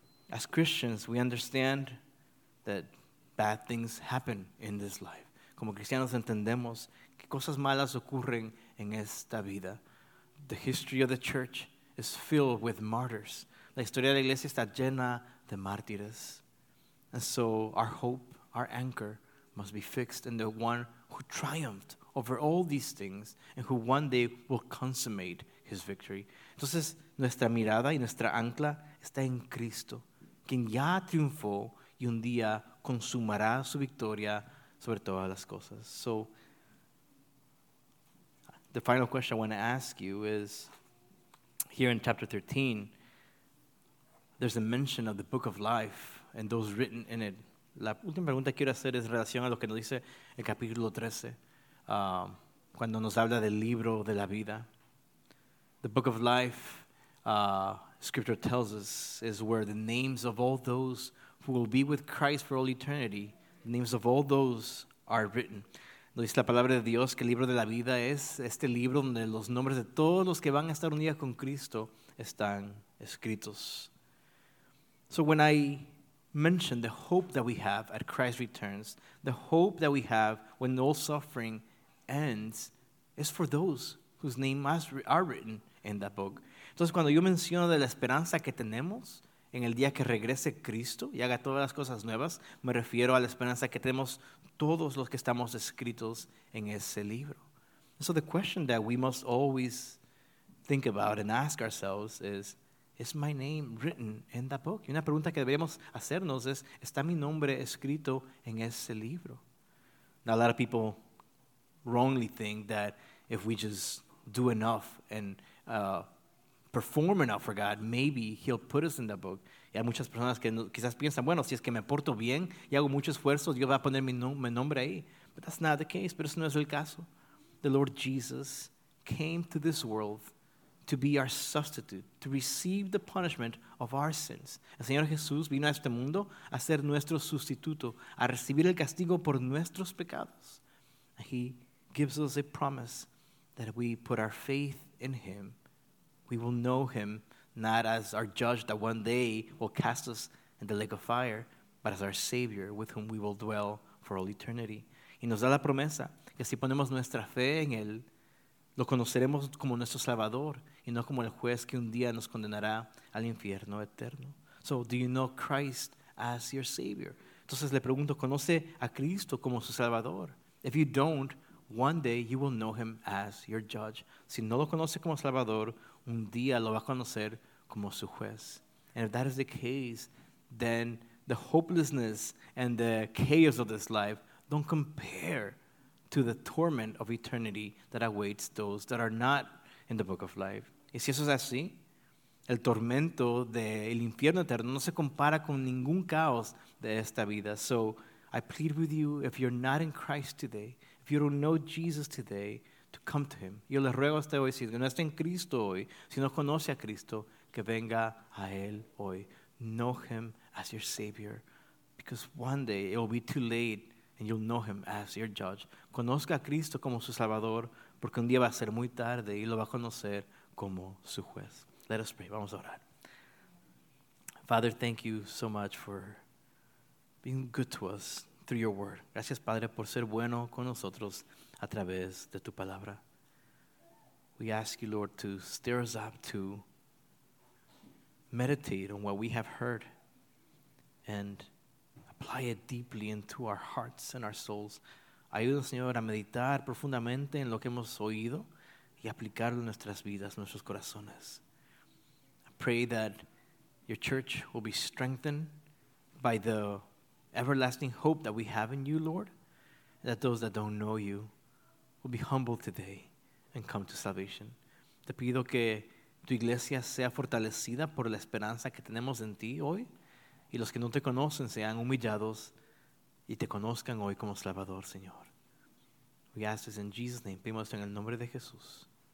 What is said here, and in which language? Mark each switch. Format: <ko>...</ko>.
<en>As Christians, we understand that bad things happen in this life.</en> <es>Como cristianos entendemos que cosas malas ocurren en esta vida.</es> <en>The history of the church is filled with martyrs.</en> <es>La historia de la iglesia está llena de mártires.</es> <en>And so our hope, our anchor, must be fixed in the one who triumphed over all these things and who one day will consummate his victory.</en> <es>Entonces, nuestra mirada y nuestra ancla está en Cristo, quien ya triunfó y un día consumará su victoria sobre todas las cosas.</es> <en>So, the final question I want to ask you is, here in chapter 13, there's a mention of the book of life and those written in it.</en> <es>La última pregunta que quiero hacer es en relación a lo que nos dice el capítulo 13, cuando nos habla del libro de la vida.</es> <en>The book of life, scripture tells us, is where the names of all those who will be with Christ for all eternity, the names of all those are written.</en> <es>Nos dice la palabra de Dios que el libro de la vida es este libro donde los nombres de todos los que van a estar unidos con Cristo están escritos.</es> <en>So when I mention the hope that we have at Christ's returns, the hope that we have when all suffering ends is for those whose names are written in that book.</en> <es>Entonces cuando yo menciono de la esperanza que tenemos en el día que regrese Cristo y haga todas las cosas nuevas, me refiero a la esperanza que tenemos todos los que estamos escritos en ese libro.</es> <en>So the question that we must always think about and ask ourselves is my name written in that book?</en> <es>Y una pregunta que deberíamos hacernos es, ¿está mi nombre escrito en ese libro?</es> <en>Now, a lot of people wrongly think that if we just do enough and perform enough for God, maybe he'll put us in that book.</en> <es>Y hay muchas personas que quizás piensan, bueno, si es que me porto bien y hago mucho esfuerzo, Dios va a poner mi nombre ahí.</es> <en>But that's not the case,</en> <es>pero eso no es el caso.</es> <en>The Lord Jesus came to this world to be our substitute, to receive the punishment of our sins.</en> <es>El Señor Jesús vino a este mundo a ser nuestro sustituto, a recibir el castigo por nuestros pecados.</es> <en>He gives us a promise that if we put our faith in him, we will know him not as our judge that one day will cast us in the lake of fire, but as our Savior with whom we will dwell for all eternity.</en> <es>Y nos da la promesa que si ponemos nuestra fe en él, lo conoceremos como nuestro Salvador y no como el juez que un día nos condenará al infierno eterno.</es> <en>So, do you know Christ as your Savior?</en> <es>Entonces le pregunto, ¿conoce a Cristo como su Salvador?</es> <en>If you don't, one day you will know him as your judge.</en> <es>Si no lo conoce como Salvador, un día lo va a conocer como su juez.</es> <en>And if that is the case, then the hopelessness and the chaos of this life don't compare to the torment of eternity that awaits those that are not in the book of life.</en> <es>Y si eso es así, el tormento del infierno eterno no se compara con ningún caos de esta vida.</es> <en>So I plead with you, if you're not in Christ today, if you don't know Jesus today, to come to him.</en> <es>Yo le ruego a usted hoy, si no está en Cristo hoy, si no conoce a Cristo, que venga a él hoy.</es> <en>Know him as your Savior, because one day it will be too late and you'll know him as your judge.</en> <es>Conozca a Cristo como su Salvador, porque un día va a ser muy tarde y lo va a conocer como su juez.</es> <en>Let us pray.</en> <es>Vamos a orar.</es> <en>Father, thank you so much for being good to us through your word.</en> <es>Gracias, Padre, por ser bueno con nosotros a través de tu palabra.</es> <en>We ask you, Lord, to stir us up to meditate on what we have heard and apply it deeply into our hearts and our souls.</en> <es>Ayúdanos, Señor, a meditar profundamente en lo que hemos oído y aplicarlo en nuestras vidas, nuestros corazones.</es> <en>I pray that your church will be strengthened by the everlasting hope that we have in you, Lord, that those that don't know you will be humbled today and come to salvation.</en> <es>Te pido que tu iglesia sea fortalecida por la esperanza que tenemos en ti hoy, y los que no te conocen sean humillados y te conozcan hoy como Salvador, Señor.</es> <en>We ask this in Jesus' name.</en> <es>Pedimos esto en el nombre de Jesús.</es>